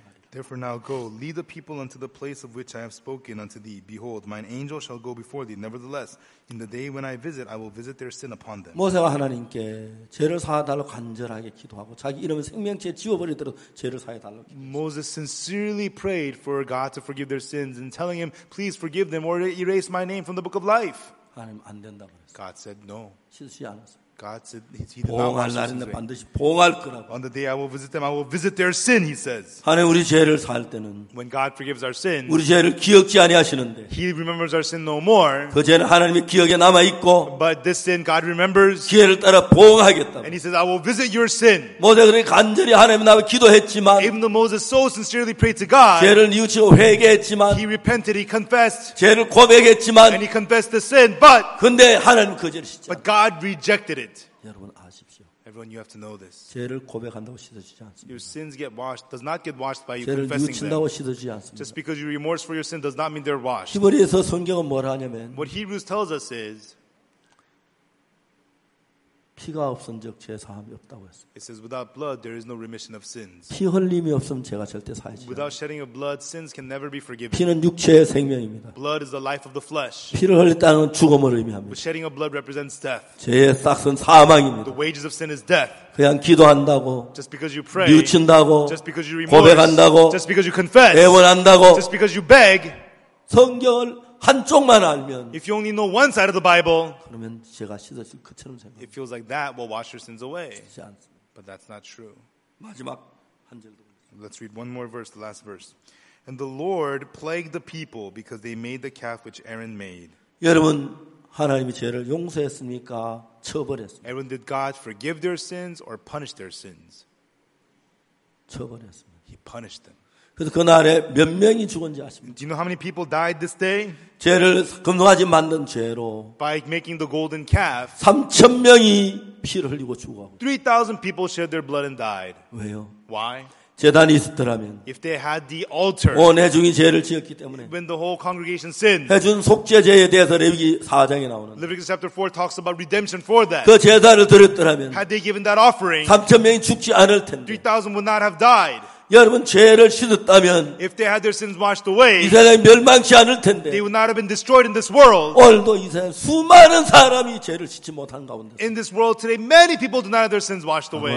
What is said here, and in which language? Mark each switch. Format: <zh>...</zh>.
<en>Therefore now go, lead the people unto the place of which I have spoken unto thee. Behold, mine angel shall go before thee. Nevertheless, in the day when I visit, I will visit their sin upon them.</en> <ko>모세가 하나님께 죄를 사해달라고 간절하게 기도하고 자기 이름을 생명책에 지워버리도록 죄를 사해달라고 기도했어요.</ko> <en>Moses sincerely prayed for God to forgive their sins and telling him, please forgive them or erase my name from the book of life.</en> <ko>하나님 안 된다 그랬어요.</ko> <en>God said no.</en> <ko>씻지 않았어요.</ko> <en>God said, he did not want to do that. On the day I will visit them, I will visit their sin, he says.</en> <ko>하나님 우리 죄를 사할 때는</ko> <en>When God forgives our sins,</en> <ko>우리 죄를 기억지 아니하시는데</ko> <en>He remembers our sin no more.</en> <ko>그 죄는 하나님의 기억에 남아있고</ko> <en>But this sin God remembers.</en> <ko>기회를 따라 보응하겠다고.</ko> <en>And he says, I will visit your sin.</en> <ko>모세 그렇게 간절히 하나님 나와 기도했지만</ko> <en>Even though Moses so sincerely prayed to God.</en> <ko>죄를 뉘우치고 회개했지만</ko> <en>He repented, he confessed.</en> <ko>죄를 고백했지만</ko> <en>And he confessed the sin, but</en> <ko>근데 하나님 그 죄를 씻지</ko> <en>But God rejected it.</en> <ko>여러분 아십시오.</ko> <en>Everyone, you have to know this.</en> <ko>죄를 고백한다고 씻어지지 않습니다.</ko> <en>Your sins get washed does not get washed by you confessing them. Just because you remorse for your sin does not mean they're washed.</en> <ko>히브리서 성경은 뭐라 하냐면</ko> <en>What Hebrews tells us is</en> <ko>피가 없은즉 죄 사함이 없다고 했어요.</ko> <en>It says without blood there is no remission of sins.</en> <ko>피 흘림이 없으면 죄가 절대 사해지지 않아요.</ko> <en>Without shedding of blood sins can never be forgiven.</en> <ko>피는 육체의 생명입니다.</ko> <en>Blood is the life of the flesh.</en> <ko>피를 흘렸다는 건 죽음을 의미합니다.</ko> <en>But shedding of blood represents death.</en> <ko>죄의 싹은 사망입니다.</ko> <en>The wages of sin is death.</en> <ko>그냥 기도한다고</ko> <en>just because you pray</en> <ko>뉘우친다고</ko> <en>just because you remorse</en> <ko>고백한다고</ko> <en>just because you confess</en> <ko>애원한다고</ko> <en>just because you beg</en> <ko>성경을 한쪽만 알면</ko> <en>If you only know one side of the Bible</en> <ko>그러면 죄가 씻어질 것처럼 생각</ko> <en>It feels like that will wash your sins away.</en> <ko>그렇지 않습니다.</ko> <en>But that's not true.</en> <ko>마지막 한 절도</ko> <en>Let's read one more verse, the last verse. And the Lord plagued the people because they made the calf which Aaron made.</en> <ko>여러분 하나님이 죄를 용서했습니까? 처벌했습니까?</ko> <en>Aaron, did God forgive their sins or punish their sins?</en> <ko>처벌했습니다.</ko> <en>He punished them.</en> <ko>그래서 그날에 몇 명이 죽은지 아십니까?</ko> <en>Do you know how many people died this day?</en> <ko>죄를 금송아지 만든 죄로</ko> <en>By making the golden calf</en> <ko>3천 명이 피를 흘리고 죽었고</ko> <en>3,000 people shed their blood and died.</en> <ko>왜요?</ko> <en>Why?</en> <ko>제단이 있었더라면</ko> <en>If they had the altar</en> <ko>온 회중이 죄를 지었기 때문에</ko> <en>When the whole congregation sinned</en> <ko>회중 속죄죄에 대해서 레위기 4장에 나오는</ko> <en>Leviticus chapter 4 talks about redemption for that</en> <ko>그 제단을 드렸더라면</ko> <en>Had they given that offering</en> <ko>3천 명이 죽지 않을 텐데</ko> <en>3,000 would not have died</en> <ko>여러분 죄를 씻었다면</ko> <en>If they had their sins washed away,</en> <ko>이 세상이 멸망치 않을 텐데</ko> <en>they would not have been destroyed in this world.</en> <ko>오늘도 이 세상 수많은 사람이 죄를 씻지 못한 가운데</ko> <en>In this world today, many people do not have their sins washed away.</en>